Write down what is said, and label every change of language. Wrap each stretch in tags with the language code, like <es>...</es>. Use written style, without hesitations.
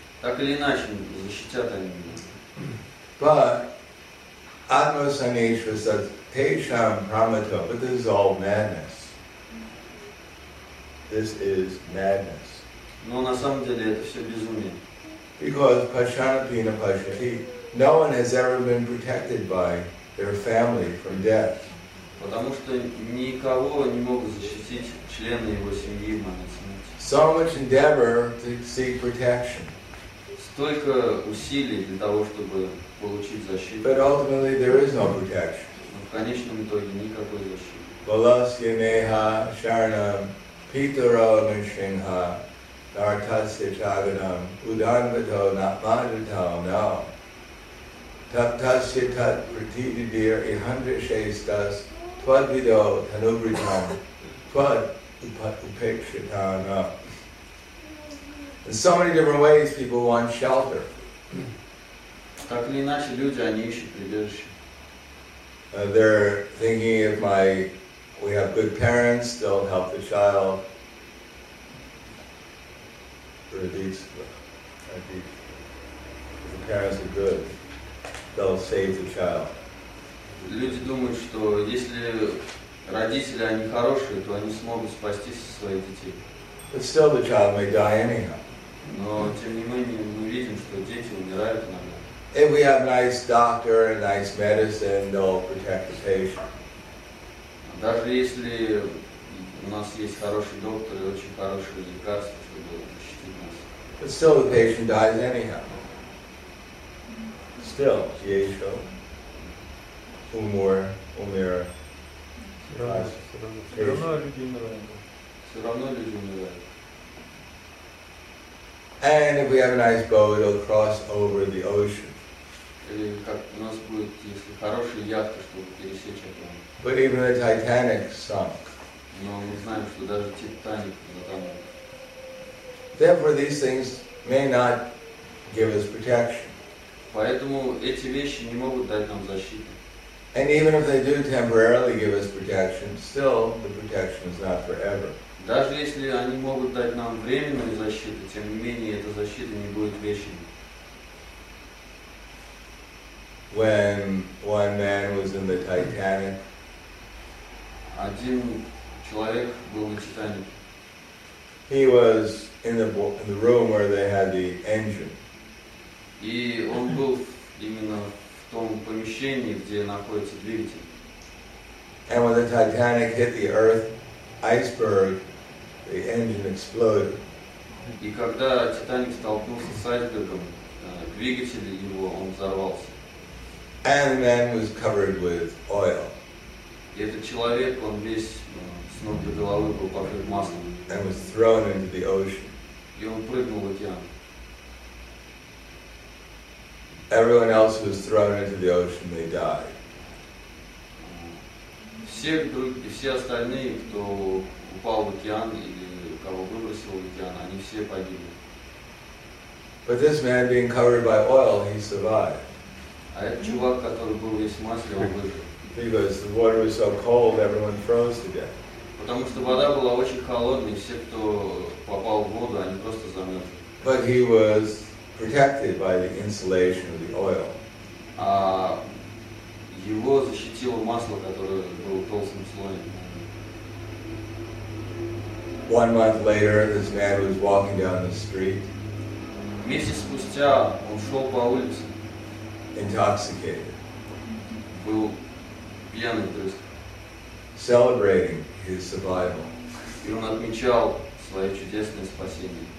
<ru>Так или иначе, защитят они меня.</ru> <sa>But atma sanyeshva says tesham pramato.</sa> <en>But this is all madness. This is madness.</en> <ru>Но на самом деле это все безумие.</ru> <en>Because</en> <sa>pashanapina pashati,</sa> <en>no one has ever been protected by their family from death.</en> <ru>Потому что никого не могут защитить члены его семьи в момент смерти.</ru> <en>So much endeavor to seek protection.</en> <ru>Столько усилий для того, чтобы получить защиту.</ru> <en>But ultimately there is no protection.</en> <ru>Но в конечном итоге никакой защиты.</ru> <sa>Valasya neha sharanam pitaro nishinha dartasya chaganam udanvato napadato no. Taptasya tat pratididir ihandrishestas tvadvido tanubritam tvad upekshitana.</sa> <en>There's so many different ways people want shelter.</en> <ru>Так или иначе, люди, они ищут прибежище.</ru> <en>They're thinking if my we have good parents, they'll help the child. If the parents are good, they'll save the child.</en> <ru>Люди думают, что если родители они хорошие, то они смогут спасти своих детей.</ru> <en>But still the child may die anyhow.</en> <ru>Но тем не менее мы видим, что дети умирают иногда.</ru> <en>If we have nice doctor and nice medicine, they'll protect the patient.</en> <ru>Даже если у нас есть хороший доктор и очень хорошие лекарства, чтобы защитить нас.</ru> <en>But still the patient dies anyhow. Still, Yesho.</en> <ru>Умер. Все равно люди умирают. Все равно люди умирают.</ru> <en>And if we have a nice boat, it'll cross over the ocean.</en> <ru>Или как у нас будет, если хорошая яхта, чтобы пересечь океан.</ru> <en>But even the Titanic sunk.</en> <ru>Но мы знаем, что даже Титаник затонул.</ru> <en>Therefore, these things may not give us protection.</en> <ru>Поэтому эти вещи не могут дать нам защиты.</ru> <en>And even if they do temporarily give us protection, still the protection is not forever.</en> <ru>Даже если они могут дать нам временную защиту, тем не менее эта защита не будет вечной.</ru> <en>When one man was in the Titanic,</en> <ru>один человек был на Титанике.</ru> <en>He was in the room where they had the engine.</en> <ru>И он был именно в том помещении, где находится двигатель.</ru> <en>And when the Titanic hit the earth iceberg, the engine exploded.</en> <ru>И когда Титаник столкнулся с айсбергом, двигатель его, он взорвался.</ru> <en>And the man was covered with oil.</en> <ru>Этот человек, он весь с ног до головы был покрыт маслом.</ru> <en>And was thrown into the ocean.</en> <ru>И он прыгнул в океан.</ru> <en>Everyone else was thrown into the ocean, they died.</en> <ru>Все остальные, кто упал в океан или кого выбросил в океан, они все погибли.</ru> <en>But this man, being covered by oil, he survived.</en> <ru>А этот чувак, который был весь в масле, он выжил.</ru> <en>Because the water was so cold, everyone froze to death.</en> <ru>Потому что вода была очень холодной, все, кто попал в воду, они просто замерзли.</ru> <en>But he was protected by the insulation of the oil.</en> <ru>А его защитило масло, которое было толстым слоем.</ru> <en>One month later, this man was walking down the street.</en> <ru>Месяц спустя он шел по улице.</ru> <en>Intoxicated.</en> <ru>Был пьяный, то есть.</ru> <en>Celebrating his survival.</en> <ru>И он отмечал свое чудесное спасение.</ru>